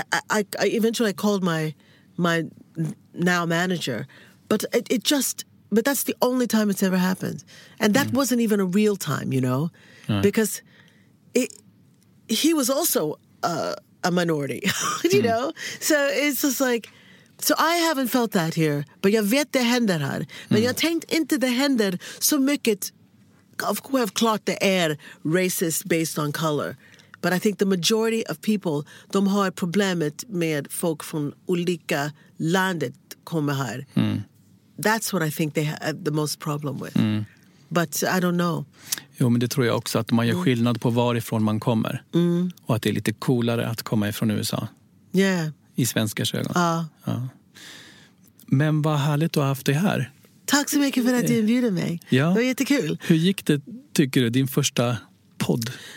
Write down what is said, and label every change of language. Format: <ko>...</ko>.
<en>I eventually called my now manager. But but that's the only time it's ever happened. And that wasn't even a real time, you know. Because he was also a minority, you know. So it's just like, so I haven't felt that here. But</en> <sv>jag vet det händer här. Men jag tänkt inte det händer så mycket.</sv> <en>Of course, have clocked the air racist based on color, but I think the majority of people</en> <sv>de har problemet med folk från olika landet kommer här.</sv> <en>That's what I think they have the most problem with. But I don't know.</en> <sv>Jo, men det tror jag också, att man gör skillnad på varifrån man kommer. Och att det är lite coolare att komma ifrån USA.</sv> <en>Yeah.</en> <sv>I svenskars ögon. Ja. Men vad härligt att ha haft dig här. Tack så mycket för att du inbjuder mig. Ja. Det var jättekul. Hur gick det, tycker du, din första podd?</sv>